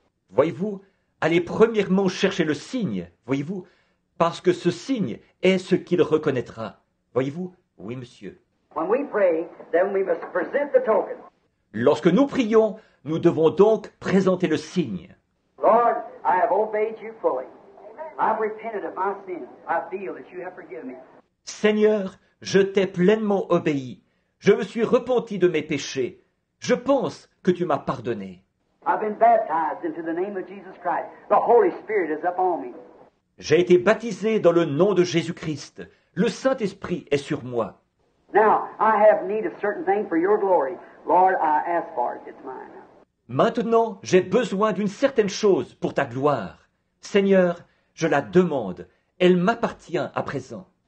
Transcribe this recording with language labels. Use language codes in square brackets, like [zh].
[fr] Voyez-vous, allez premièrement chercher le signe, voyez-vous, parce que ce signe est ce qu'il reconnaîtra. Voyez-vous? Oui, monsieur. [en] When we pray, then we must present the token. [fr] Lorsque nous prions, nous devons donc présenter le signe. [en] Lord, I have obeyed you fully. I've repented of my sin. I feel that you have forgiven me. [fr] Seigneur, je t'ai pleinement obéi. Je me suis repenti de mes péchés. Je pense que tu m'as pardonné. [en] I've been baptized into the name of Jesus Christ. The Holy Spirit is upon me. [fr] J'ai été baptisé dans le nom de Jésus-Christ. Le Saint-Esprit est sur moi. [en] Now, I have need of certain things for your glory. Lord, I ask for it. It's mine. [fr] Maintenant, j'ai besoin d'une certaine chose pour ta gloire. Seigneur, je la demande. Elle m'appartient à présent.